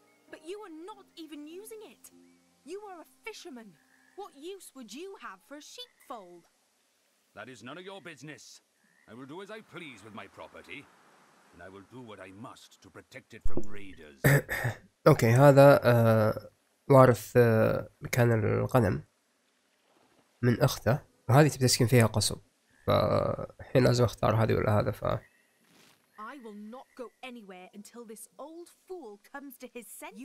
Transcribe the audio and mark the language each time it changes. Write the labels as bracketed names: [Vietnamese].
[English] But you are not even using it. You are a fisherman. What use would you have for a sheepfold? That is none of your business. I will do as I please with my property, and I will do what I must to protect it from raiders. Okay. [Arabic] هذا وارث مكان الغنم من أخته، وهذه تبي تسكن فيها قصب. فحين لازم اختار هذه ولا هذا. ف [English] I will not go anywhere until this old fool comes to his senses.